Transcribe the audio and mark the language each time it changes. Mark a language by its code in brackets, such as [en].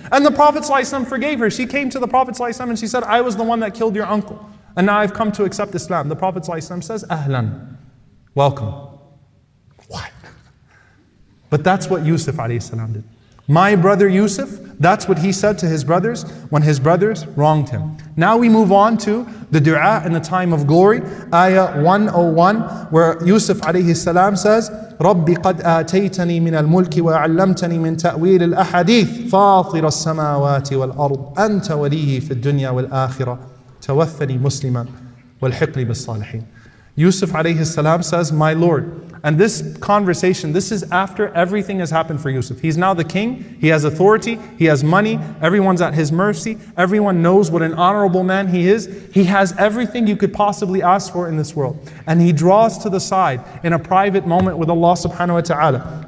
[en] And the Prophet ﷺ forgave her. She came to the Prophet ﷺ and she said, I was the one that killed your uncle. And now I've come to accept Islam. The Prophet ﷺ says, Ahlan. Welcome. What? But that's what Yusuf ﷺ did. My brother Yusuf, that's what he said to his brothers when his brothers wronged him. Now we move on to the dua in the time of glory, ayah 101, where Yusuf alayhi salam says, [ar] رَبِّ قَدْ آتَيْتَنِي مِنَ الْمُلْكِ وَعَلَّمْتَنِي مِنْ تَأْوِيلِ الْأَحَدِيثِ فَاطِرَ السَّمَاوَاتِ وَالْأَرْضِ أَنْتَ وَلِيِّي فِي الدُّنْيَا وَالْآخِرَةِ تَوَفَّنِي مُسْلِمًا وَالْحِقْنِي بِالصَّالِحِينَ. [en] Yusuf alayhi salam says, my Lord, and this conversation, this is after everything has happened for Yusuf. He's now the king, he has authority, he has money, everyone's at his mercy, everyone knows what an honorable man he is. He has everything you could possibly ask for in this world. And he draws to the side in a private moment with Allah subhanahu wa ta'ala.